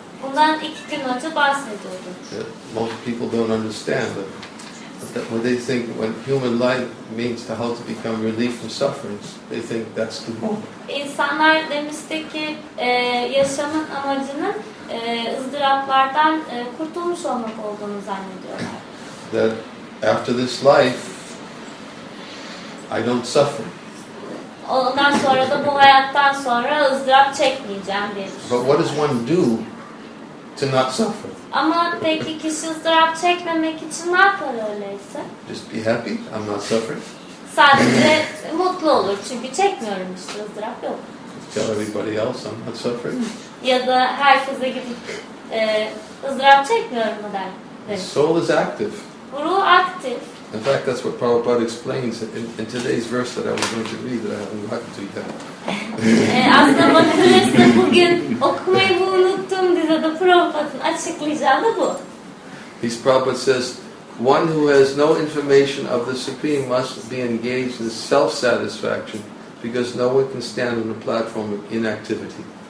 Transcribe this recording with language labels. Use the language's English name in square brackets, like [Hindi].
[Turkish] Bundan 2 gün önce bahsediyorduk. [English] Yeah, most people don't understand, but when they think when human life means to how to become relief from suffering, they think that's the goal. [Turkish] İnsanlar demiştik ki yaşamın amacının ızdıraplardan kurtulmuş olmak olduğunu zannediyorlar. [English] That after this life, I don't suffer. [Turkish] Ondan sonra da bu hayattan sonra ızdırap çekmeyeceğim diye düşünüyorum. [English] But what does one do to not suffer? [Turkish] Ama peki kişi ızdırap çekmemek için ne yapar öyleyse? [English] Just be happy, I'm not suffering. [Turkish] Sadece mutlu olur çünkü çekmiyorum işte ızdırap yok. [English] Tell everybody else I'm not suffering. [Turkish] Ya da herkese gidip ızdırap çekmiyorum der. [English] Soul is active. [Turkish] Ruh aktif. [English] In fact, that's what Prabhupada explains in today's verse that I was going to read that I haven't gotten to yet. [Turkish] Aslında bakıyorsa bugün okumayı mı unuttum dedi de Prabhupada'nın açıklayacağı da bu. [English] His Prabhupada says, one who has no information of the Supreme must be engaged in self-satisfaction because no one can stand on a platform of inactivity.